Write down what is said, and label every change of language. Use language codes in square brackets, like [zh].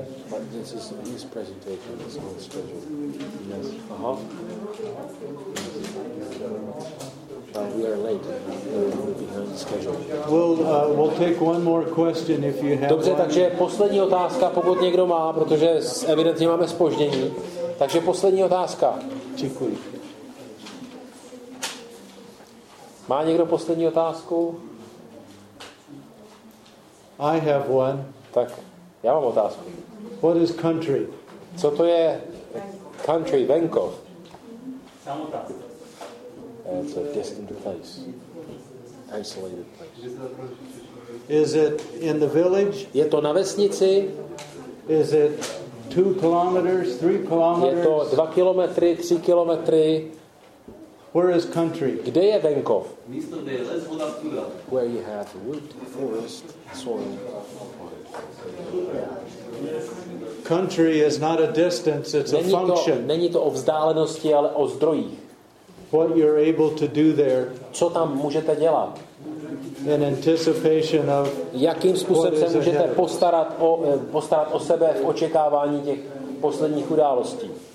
[en] But this is his presentation. It's not special. Yes. We are late. Behind schedule. We'll take one more question if you have. [cs] Dobře, takže poslední otázka, pokud někdo má, protože evidentně máme zpoždění. Takže poslední otázka. Děkuji. Má někdo poslední otázku? [en] I have one. [cs] Tak, já mám otázku. [en] What is country? [cs] Co to je country, venkov? Samota. [en] It's a distant place, isolated place. Is it in the village? [cs] Je to na vesnici? [en] Is it 2 kilometers, 3 kilometers? [cs] Je to 2 kilometry, 3 kilometry. [en] Where is country? [cs] Kde je venkov? Místo, kde je les, voda, půda. [en] Where you have wood, forest, soil. Country is not a distance, it's a function. [cs] Není to o vzdálenosti, ale o zdrojích. [en] What you're able to do there. [cs] Co tam můžete dělat? [en] In anticipation of. [cs] Jakým způsobem se můžete postarat o sebe v očekávání těch posledních událostí?